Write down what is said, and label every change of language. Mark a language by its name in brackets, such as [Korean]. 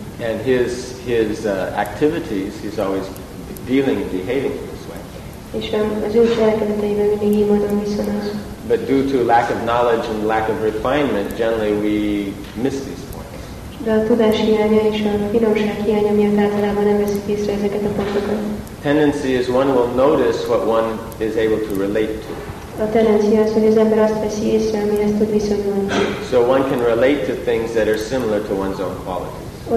[English] And his activities, he's always dealing and behaving this way. [Hungarian] És az ő cselekedeteiben mindig így módon viszonyul. [English] But due to lack of knowledge and lack of refinement, generally we miss these points. [Hungarian] De a tudás hiánya és a finomság hiánya miatt általában nem veszik észre ezeket a pontokat. [English] Tendency is one will notice what one is able to relate to. [Hungarian] A tendencia az, hogy az ember azt veszi észre, amihez tud viszonyulni. [English] So one can relate to things that are similar to one's own qualities.